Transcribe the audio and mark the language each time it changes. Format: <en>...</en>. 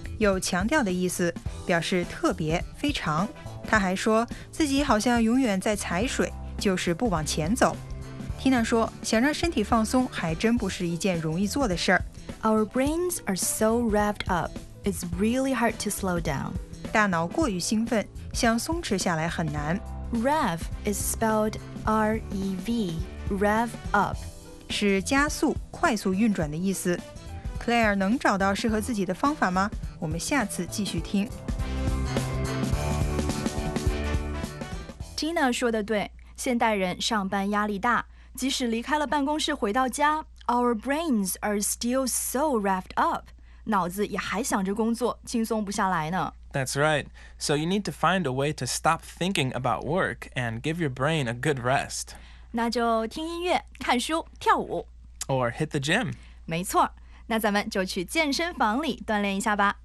<zh>有强调的意思，表示特别、非常。他还说自己好像永远在踩水，就是不往前走。 Tina 说，想让身体放松，还真不是一件容易做的事儿。</zh> <en>Our brains are so revved up, it's really hard to slow down.</en> <zh>大脑过于兴奋，想松弛下来很难。</zh> <en>Rev is spelled R-E-V, rev up,</en> <zh>是加速、快速运转的意思。 Claire 能找到适合自己的方法吗？我们下次继续听。 Tina 说的对，现代人上班压力大，即使离开了办公室回到家 ，</zh> <en>Our brains are still so revved up，</en> <zh>脑子也还想着工作，轻松不下来呢。</zh> <en>That's right. So you need to find a way to stop thinking about work and give your brain a good rest.</en> <zh>那就听音乐、看书、跳舞</zh> <en>，or hit the gym.</en> <zh>没错。那咱们就去健身房里锻炼一下吧。</zh>